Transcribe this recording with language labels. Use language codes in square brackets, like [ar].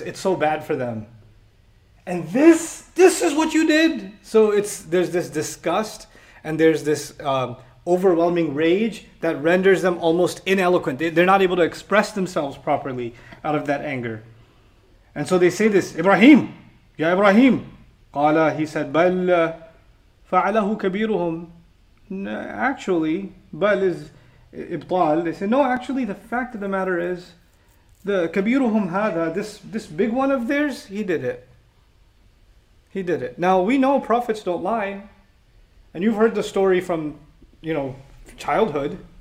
[en] It's so bad for them. And this is what you did? So there's this disgust and there's this overwhelming rage that renders them almost ineloquent. They're not able to express themselves properly out of that anger. And so they say this, Ibrahim! Ya Ibrahim! [ar] قَالَ [en] he said, [ar] بَلْ فَعَلَهُ كَبِيرُهُمْ. [en] Actually, بَلْ is إِبْطَال. They said, no, actually the fact of the matter is, the [ar] كَبِيرُهُمْ هَذَا, [en] this big one of theirs, he did it. Now we know prophets don't lie. And you've heard the story from, childhood.